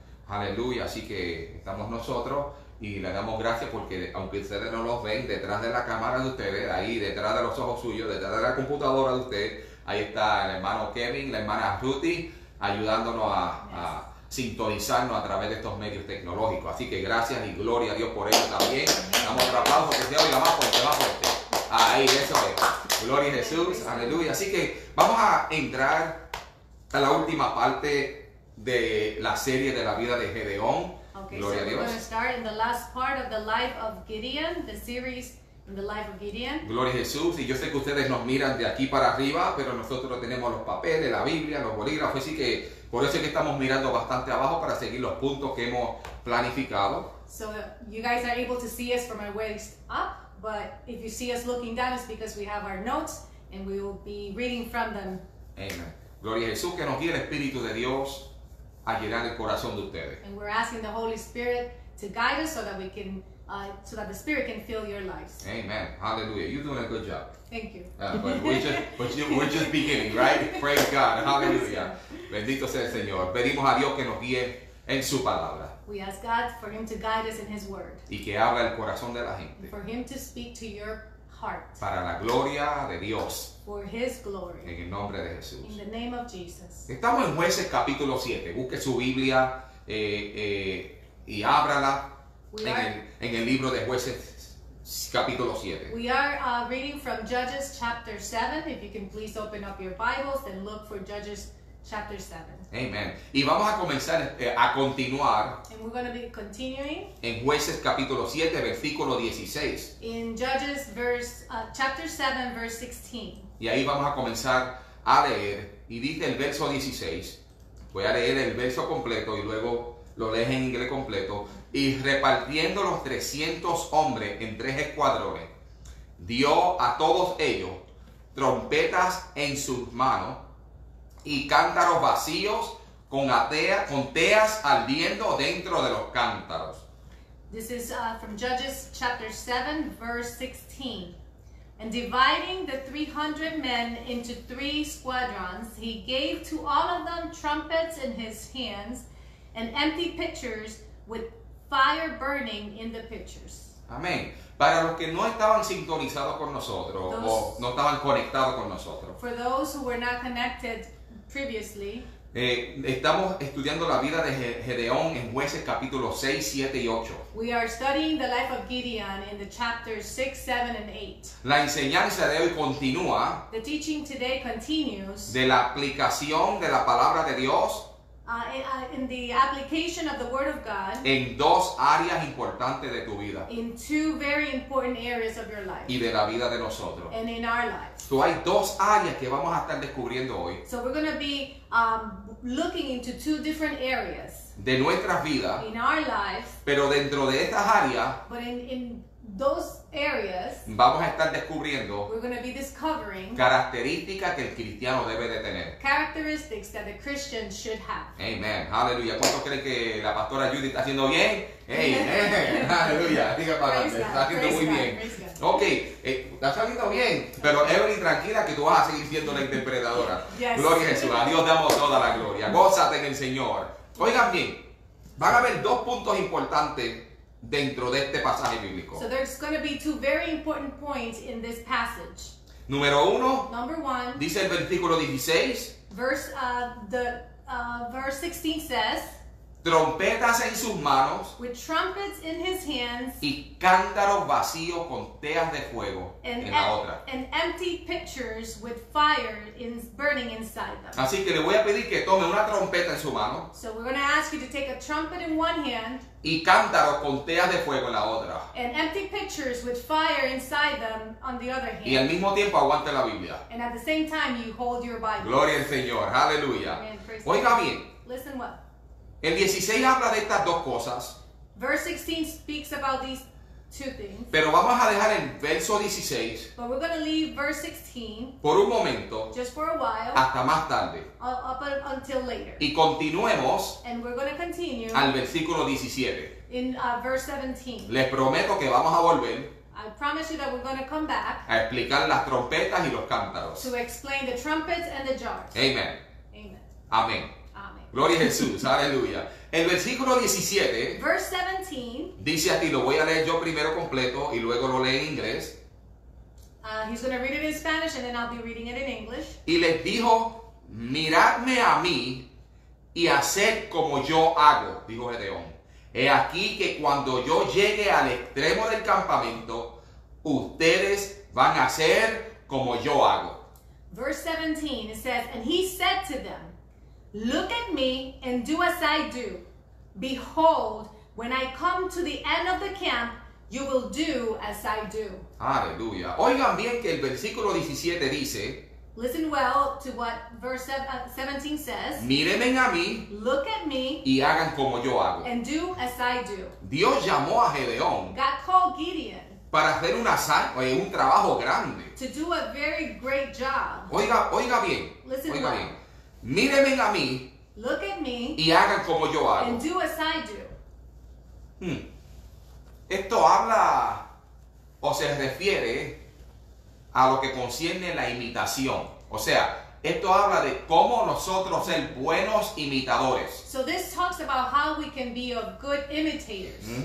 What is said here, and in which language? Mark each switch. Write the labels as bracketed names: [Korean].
[Spanish] Aleluya, así que estamos nosotros y le damos gracias porque aunque ustedes no los ven detrás de la cámara de ustedes, ahí detrás de los ojos suyos, detrás de la computadora de ustedes, ahí está el hermano Kevin, la hermana Ruthie ayudándonos a sintonizarnos a través de estos medios tecnológicos. Así que gracias y gloria a Dios por ello también. Damos otro aplauso, que se oiga más fuerte, más fuerte. Ahí, eso es. Gloria a Jesús, aleluya. Así que vamos a entrar a la última parte de la serie de la vida de Gedeón. Okay, gloria a Dios. [English] We're going to start in the last part of the life of Gideon, the series in the life of Gideon. [Spanish] Gloria a Jesús. Y yo sé que ustedes nos miran de aquí para arriba, pero nosotros tenemos los papeles, la Biblia, los bolígrafos, así que por eso es que estamos mirando bastante abajo para seguir los puntos que hemos planificado. [English] So you guys are able to see us from our waist up, but if you see us looking down, it's because we have our notes and we will be reading from them. Amen. [Spanish] Gloria a Jesús, que nos guíe el Espíritu de Dios a llenar el corazón de ustedes. [English] And we're asking the Holy Spirit to guide us so that we can, so that the Spirit can fill your lives. Amen. Hallelujah. You're doing a good job. Thank you. But we're just beginning, right? Praise God. Hallelujah. [Spanish] Bendito sea el Señor. Pedimos a Dios que nos guíe en su palabra. [English] We ask God for him to guide us in his word. [Spanish] Y que hable al corazón de la gente. [English] For him to speak to your heart. [Spanish] Para la gloria de Dios. [English] For his glory. [Spanish] En el nombre de Jesús. [English] In the name of Jesus. [Spanish] Estamos en Jueces capítulo 7. Busque su Biblia y ábrala en el libro de Jueces. Capítulo 7. [English] We are reading from Judges chapter 7. If you can please open up your Bibles and look for Judges chapter 7. [Spanish] Amen. Y vamos a comenzar a continuar. [English] And we're going to be continuing. [Spanish] En Jueces capítulo 7, versículo 16. [English] In Judges chapter 7, verse 16. [Spanish] Y ahí vamos a comenzar a leer. Y dice el verso 16. Voy a leer el verso completo y luego lo lees en inglés completo. Y repartiendo los 300 hombres en tres escuadrones, dio a todos ellos trompetas en sus manos y cántaros vacíos con teas ardiendo dentro de los cántaros. [English] This is from Judges chapter 7, verse 16. And dividing the 300 men into three squadrons, he gave to all of them trumpets in his hands and empty pitchers with fire burning in the pitchers. [Spanish] Amén. Para los que no estaban sintonizados con nosotros o no estaban conectados con nosotros. [English] For those who were not connected previously. [Spanish] Estamos estudiando la vida de Gedeón en Jueces capítulo 6, 7 y 8. [English] We are studying the life of Gideon in the chapters 6, 7 and 8. [Spanish] La enseñanza de hoy continúa. [English] The teaching today continues. [Spanish] De la aplicación de la palabra de Dios. [English] In the application of the word of God. [Spanish] En dos áreas importantes de tu vida. [English] In two very important areas of your life. [Spanish] Y de la vida de nosotros. [English] And in our lives. [Spanish] So hay dos áreas que vamos a estar descubriendo hoy. [English] So we're going to be looking into two different areas. [Spanish] De nuestras vidas. [English] In our lives. [Spanish] Pero dentro de estas áreas. [English] But in those areas. [Spanish] Vamos a estar descubriendo. [English] We're going to be discovering. [Spanish] Características que el cristiano debe de tener. [English] Characteristics that a Christian should have. Amen. Hallelujah. [Spanish] ¿Cuántos creen que la pastora Judy está haciendo bien? Amen. Hallelujah. Diga para adelante. Está haciendo [English] praise [Spanish] muy [English] God. [Spanish] Bien. Ok. Está saliendo bien. Pero Evelyn, tranquila que tú vas a seguir siendo la interpretadora. [English] Yes. [Spanish] Gloria a Jesús. A Dios damos toda la gloria. Gózate en el Señor. Oigan bien. Van a haber dos puntos importantes dentro de este pasaje bíblico. [English] So there's going to be two very important points in this passage. [Spanish] Número uno. [English] Number one. [Spanish] Dice el versículo 16. [English] Verse 16 says. [Spanish] Trompetas en sus manos. [English] With trumpets in his hands. [Spanish] Y cántaros vacíos con teas de fuego en la otra. [English] And empty pitchers with fire burning inside them. [Spanish] Así que le voy a pedir que tome una trompeta en su mano. [English] So we're going to ask you to take a trumpet in one hand. [Spanish] Y cántaros con teas de fuego en la otra. [English] And empty pitchers with fire inside them on the other hand. [Spanish] Y al mismo tiempo aguante la Biblia. [English] And at the same time you hold your Bible. [Spanish] Gloria al Señor. Aleluya. Oiga bien. [English] Listen what? [Spanish] El 16 habla de estas dos cosas. [English] Verse 16 speaks about these two things. [Spanish] Pero vamos a dejar el verso 16. [English] But we're going to leave verse 16. [Spanish] Por un momento. [English] Just for a while. [Spanish] Hasta más tarde. [English] Up until later. [Spanish] Y continuemos. [English] And we're going to continue. [Spanish] Al versículo 17. [English] In verse 17. [Spanish] Les prometo que vamos a volver. [English] I promise you that we're going to come back. [Spanish] A explicar las trompetas y los cántaros. [English] To explain the trumpets and the jars. Amen. Amen. [Spanish] Amén. Gloria a Jesús, aleluya. El versículo 17, [English] verse 17 [Spanish] dice así, lo voy a leer yo primero completo y luego lo lee en inglés. [English] He's going to read it in Spanish and then I'll be reading it in English. [Spanish] Y les dijo, miradme a mí y haced como yo hago, dijo Gedeón. He aquí que cuando yo llegue al extremo del campamento, ustedes van a hacer como yo hago. [English] Verse 17, it says, and he said to them, look at me and do as I do. Behold, when I come to the end of the camp, you will do as I do. [Spanish] Aleluya. Oigan bien que el versículo 17 dice. [English] Listen well to what verse 17 says. [Spanish] Mírenme a mí. [English] Look at me. [Spanish] Y hagan como yo hago. [English] And do as I do. [Spanish] Dios llamó a Gedeón. [English] God called Gideon. [Spanish] Para hacer un trabajo grande. [English] To do a very great job. [Spanish] Oiga bien. [English] Listen [Spanish] oiga [English] well. [Spanish] Bien. Mírenme a mí. [English] Look at me. [Spanish] Y hagan como yo hago. [English] And do as I do. [Spanish] Esto habla o se refiere a lo que concierne la imitación. O sea, esto habla de cómo nosotros ser buenos imitadores. [English] So this talks about how we can be of good imitators.